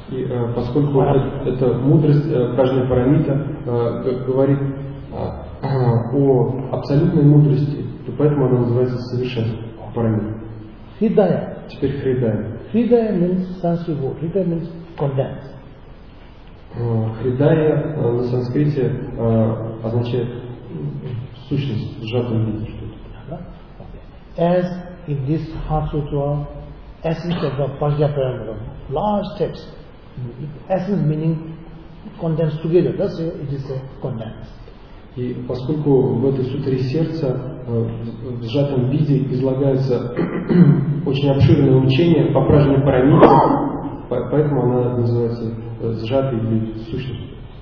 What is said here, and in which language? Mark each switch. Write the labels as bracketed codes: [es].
[ru] И поскольку эта мудрость Праджна Парамита говорит о абсолютной мудрости, то поэтому она называется совершенство Парамита. Хридая. Теперь Хридая. [en] Хридая means sanskrit word. Хридая means condense. [ru] Хридая на санскрите означает сущность, сжатый виде что-то. [en] As in this heart sutra, essence of the Paramita, large text, essence meaning condensed together. That's why it is a condense. [ru] И поскольку в этой сутре сердца в сжатом виде излагается очень обширное учение по Праджне Парамите, поэтому она называется сжатой или сущностью.